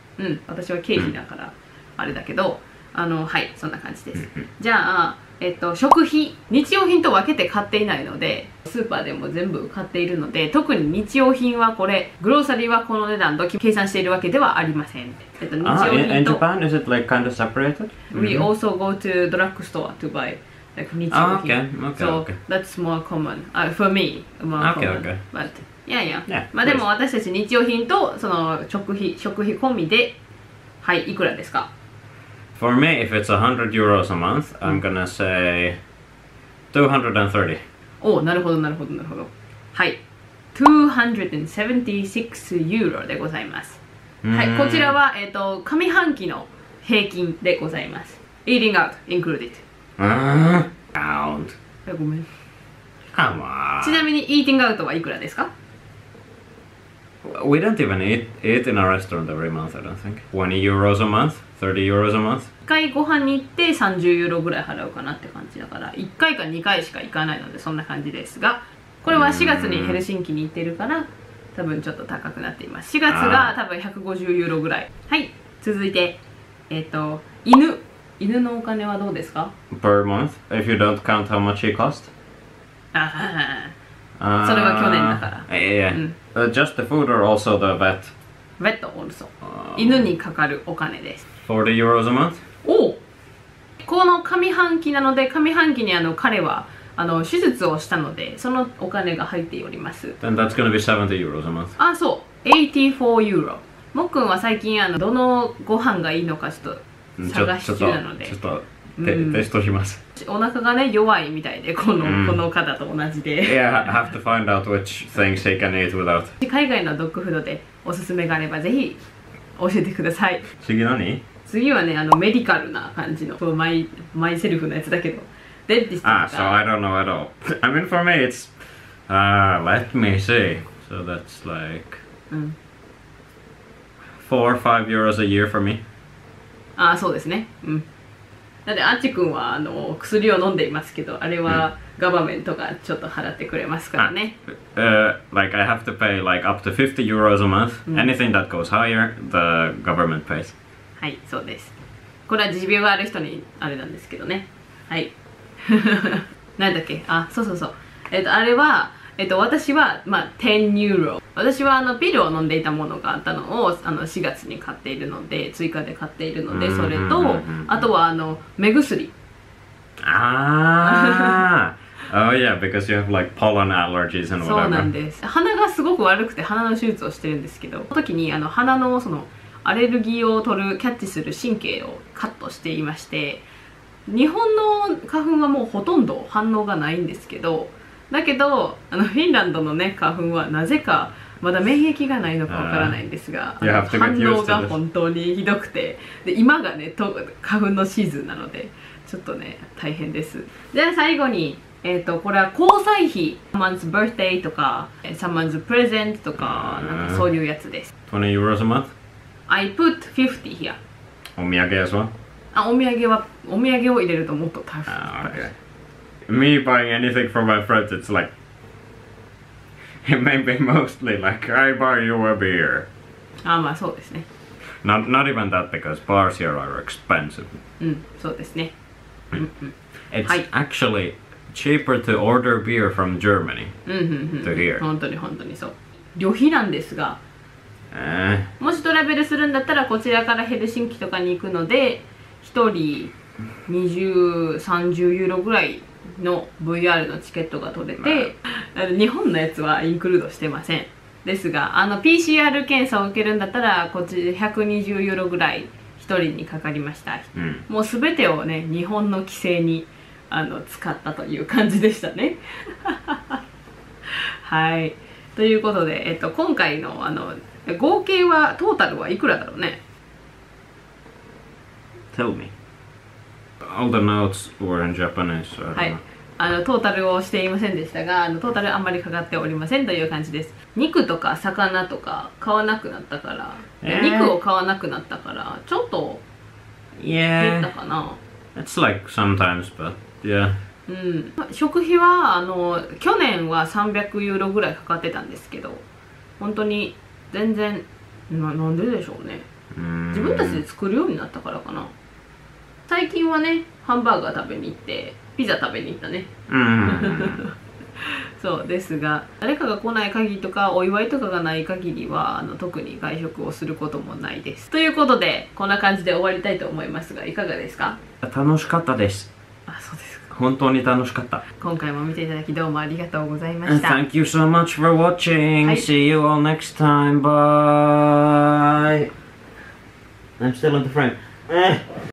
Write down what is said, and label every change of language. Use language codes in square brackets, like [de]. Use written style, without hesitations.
[ja] うん、私は経費だからあれだけど、あの、はい、そんな感じです。じゃあ食費、日用品と分けて買っていないので、スーパーでも全部買っているので、特に日用品はこれ、グローサリーはこの値段と計算しているわけではありません。 [en] 日用品と、in Japan is it like kind of separated? We also go to drug store to buy like 日用品、 oh, okay. Okay, so okay. That's more common、for me more common、 okay, okay. But yeah. Yeah, [ja] まあでも私たち日用品とその食費込みで、はい、いくらですか？ [en] For me, if it's 100 euros a month, I'm gonna say 230. [ja] Oh, なるほど、なるほど、なるほど。はい。276 euro でございます。はい、こちらは、上半期の平均でございます。 [en] Eating out included. Count. [ja] ごめん。 [en] Come on. [ja] ちなみに、 [en] eating out [ja] はいくらですか？ [en] We don't even eat in a restaurant every month, I don't think. 20 euros a month? 30 euros a month? [ja] 1回ご飯に行って30ユーロぐらい払うかなって感じだから、1回か2回しか行かないのでそんな感じですが、これは4月にヘルシンキに行ってるから多分ちょっと高くなっています。 4月が多分150ユーロぐらい。はい、続いて、犬のお金はどうですか [en] per month? If you don't count how much he cost? [ja] それは去年だから [en] 、just the food or also the vet? Vet also. [ja] 犬にかかるお金です。 [en] 40 euros a month? [ja] おお、この上半期なので、上半期にあの彼はあの手術をしたので、そのお金が入っております。 [en] Then that's gonna be 70 euros a month. [ja] あ、そう、84 euro。もっくんは最近あのどのご飯がいいのかちょっと探し中なので、ちょっとテストします。お腹がね弱いみたいで、この方と同じで、 [en] Yeah, I have to find out which things he can eat without. [ja] 海外のドッグフードでおすすめがあればぜひ教えてください。次何？次はね、あのメディカルな感じの、このマイセルフのやつだけど、デンティストとか。 [en] Ah, so I don't know at all. I mean for me it's, let me see. So that's like, 4-5 euros a year for me. [ja] ああ、そうですね。うん。だってあっちくんはあの薬を飲んでいますけど、あれは government がちょっと払ってくれますからね。 [en] Like I have to pay like up to 50 euros a month.、うん、Anything that goes higher, the government pays. [ja] はい、そうです。これは持病がある人にあれなんですけどね。はい。なんだっけ？あ、そうそうそう。あれは、私は、まあ、10ユーロ。私はあのビールを飲んでいたものがあったのをあの4月に買っているので、追加で買っているので、それと、あとはあの目薬。 [en] ああ、oh yeah, because you have like pollen allergies and whatever. [ja] そうなんです。鼻がすごく悪くて鼻の手術をしてるんですけど、その時にあの鼻のそのアレルギーを取るキャッチする神経をカットしていまして、日本の花粉はもうほとんど反応がないんですけど、だけどあのフィンランドのね花粉はなぜかまだ免疫がないのかわからないんですが、反応が本当にひどくて、で今がね花粉のシーズンなので。ちょっとね、大変です。じゃあ最後に、これは交際費。 [en] Someone's birthday [ja] とか、 [en] Someone's present [ja] とか、なんかそういうやつです。 [en] 20 euros a month? I put 50 here. [ja] お土産屋さん？あ、お土産は、お土産を入れるともっと大変です。 [en] Me buying anything from my friends, it's like... It may be mostly like, I buy you a beer. [ja] あ、まあそうですね。 [en] Not even that, because bars here are expensive. [ja] うん、そうですね。 [en] It's actually cheaper to order beer from Germany to here. [ja] 本当に本当にそう。旅費なんですが、もしトラベルするんだったらこちらからヘルシンキとかに行くので、一人20-30 euroぐらいの VR のチケットが取れて、日本のやつはインクルードしてません。ですが、あの PCR 検査を受けるんだったらこっち120 euroぐらい。一人にかかりました、うん、もうすべてをね、日本の規制にあの使ったという感じでしたねはい、ということで、今回のあの合計は、トータルはいくらだろうね [en] Tell me All the notes were in Japanese, so [ja] はい、あのトータルをしていませんでしたが、あのトータルあんまりかかっておりませんという感じです。肉とか魚とか買わなくなったから、肉を買わなくなったからちょっと減ったかな、 [en] It's like sometimes, but yeah、 [ja] うん、食費はあの去年は300ユーロぐらいかかってたんですけど、本当に全然、なんででしょうね、自分たちで作るようになったからかな。最近はね、ハンバーガー食べに行ってピザ食べに行ったね、そうですが、誰かが来ない限りとかお祝いとかがない限りはあの特に外食をすることもないです。ということで、こんな感じで終わりたいと思いますが、いかがですか？楽しかったです。あ、そうですか。本当に楽しかった。今回も見ていただきどうもありがとうございました。 [en] Thank you so much for watching、はい、See you all next time, bye I'm still on the frame